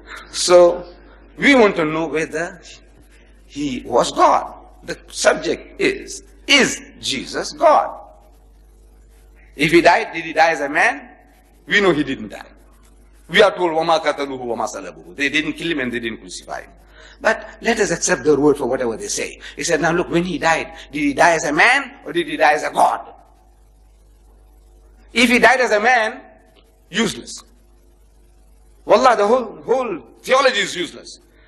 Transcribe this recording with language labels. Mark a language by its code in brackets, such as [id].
[en] So we want to know whether he was God. The subject is Jesus God? If he died, did he die as a man? We know he didn't die. We are told, [ar] وَمَا قَتَلُهُ وَمَا صَلَبُهُ. [en] They didn't kill him and they didn't crucify him. But let us accept their word for whatever they say. He said, now look, when he died, did he die as a man or did he die as a God? If he died as a man, useless. Wallah, the whole theology is useless.